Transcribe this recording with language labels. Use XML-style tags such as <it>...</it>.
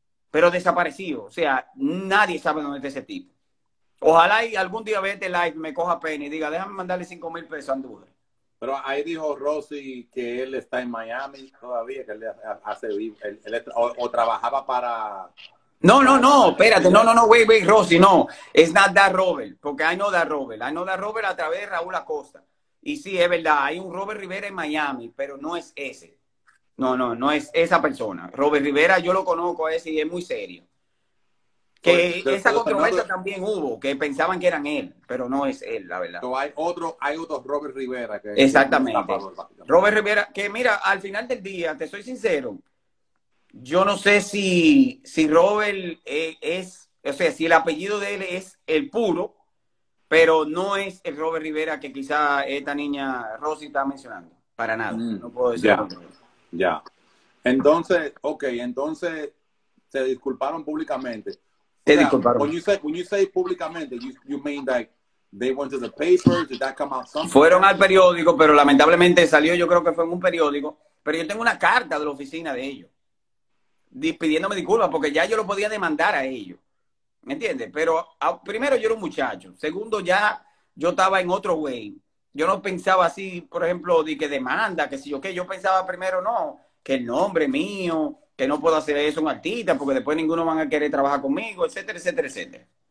<es>Pero desaparecido, o sea, nadie sabe dónde está ese tipo. Ojalá y algún día vea este live, me coja pena y diga, déjame mandarle $5,000 a Andújar. Pero ahí dijo Rosy que él está en Miami todavía, que él hace vivo, él trabajaba para... No, espérate, no, wait, Rosy, no.</es> <en>It's not that Robert, porque I know that Robert. I know that Robert</en> <es>a través de</es> <en>Raúl Acosta.</en> <es>Y sí, es verdad, hay un Robert Rivera en Miami, pero no es ese. No es esa persona. Robert Rivera, yo lo conozco a ese y es muy serio. Que esa controversia también hubo, que pensaban que eran él, pero no es él, la verdad. Hay otro Robert Rivera. Exactamente. Robert Rivera, que mira, al final del día, te soy sincero, yo no sé si Robert es, o sea, si el apellido de él es el puro, pero no es el Robert Rivera que quizá esta niña Rosy está mencionando, para nada. No puedo decir. Ya. Entonces, ok, entonces se disculparon públicamente.</es> <en>When you say públicamente, you mean that they went to the papers, did that come out somewhere?</en> <es>Fueron al periódico, pero lamentablemente salió, yo creo que fue en un periódico, pero yo tengo una carta de la oficina de ellos, pidiéndome disculpas, porque ya yo lo podía demandar a ellos, ¿me entiendes? Pero primero yo era un muchacho, segundo ya yo estaba en otro way, yo no pensaba así, por ejemplo, de que demanda, que si yo qué, yo pensaba primero, no, que el nombre mío, que no puedo hacer eso un artista, porque después ninguno van a querer trabajar conmigo, etcétera, etcétera, etcétera.</es>